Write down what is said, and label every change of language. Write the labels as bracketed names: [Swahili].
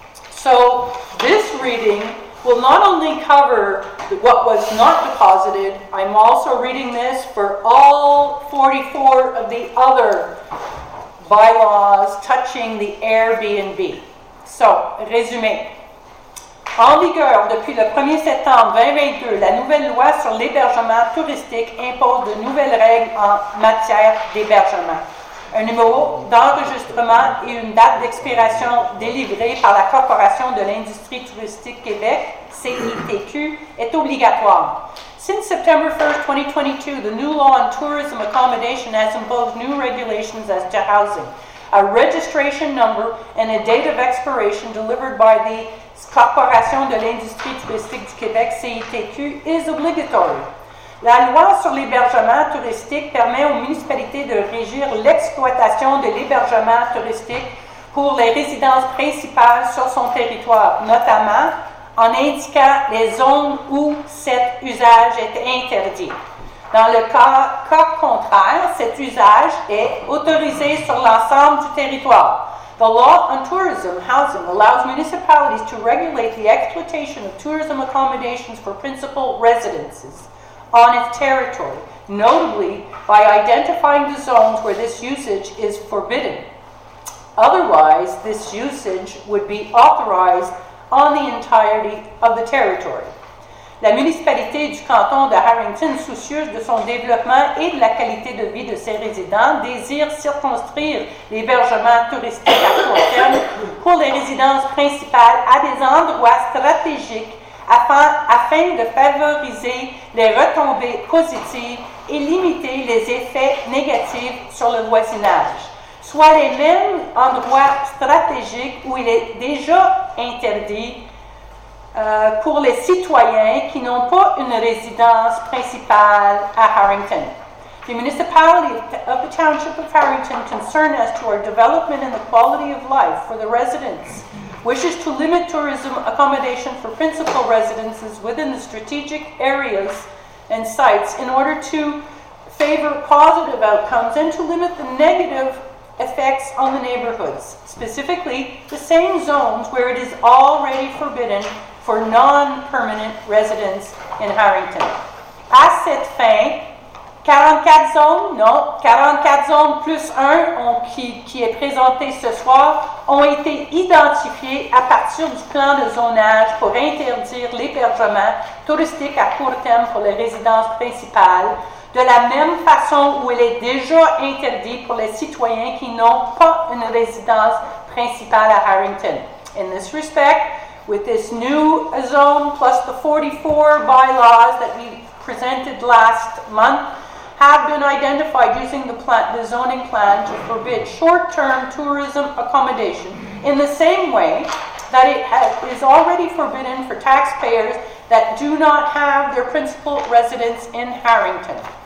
[English] So this reading will not only cover what was not deposited, I'm also reading this for all 44 of the other bylaws touching the Airbnb. [French] So, résumé. En vigueur depuis le 1er septembre 2022, la nouvelle loi sur l'hébergement touristique impose de nouvelles règles en matière d'hébergement. Un numéro d'enregistrement et une date d'expiration délivrée par la Corporation de l'industrie touristique Québec, CITQ, est obligatoire. [English] Since September 1, 2022, the new law on tourism accommodation has imposed new regulations as to housing. A registration number and a date of expiration delivered by the Corporation de l'industrie touristique du Québec, CITQ, is obligatory. [French] La loi sur l'hébergement touristique permet aux municipalités de régir l'exploitation de l'hébergement touristique pour les résidences principales sur son territoire, notamment en indiquant les zones où cet usage est interdit. Dans le cas contraire, cet usage est autorisé sur l'ensemble du territoire. [English] The law on tourism housing allows municipalities to regulate the exploitation of tourism accommodations for principal residences on its territory, notably by identifying the zones where this usage is forbidden. Otherwise, this usage would be authorized on the entirety of the territory. [French] La municipalité du canton de Harrington, soucieuse de son développement et de la qualité de vie de ses résidents, désire circonscrire l'hébergement touristique à court terme pour les résidences principales à des endroits stratégiques afin de favoriser les retombées positives et limiter les effets négatifs sur le voisinage, soit les mêmes endroits stratégiques où il est déjà interdit pour les citoyens qui n'ont pas une résidence principale à Harrington. [English] The municipality of the township of Harrington, concerned as to our development and the quality of life for the residents, wishes to limit tourism accommodation for principal residences within the strategic areas and sites in order to favor positive outcomes and to limit the negative effects on the neighborhoods, specifically the same zones where it is already forbidden for non-permanent residents in Harrington. [French] À cette fin, 44 zones, non, 44 zones plus un qui est présenté ce soir, ont été identifiées à partir du plan de zonage pour interdire l'hébergement touristique à court terme pour les résidences principales, de la même façon où il est déjà interdit pour les citoyens qui n'ont pas une résidence principale à Harrington. [English] In this respect, with this new zone plus the 44 bylaws that we presented last month have been identified using the zoning plan to forbid short-term tourism accommodation in the same way that it is already forbidden for taxpayers that do not have their principal residence in Harrington.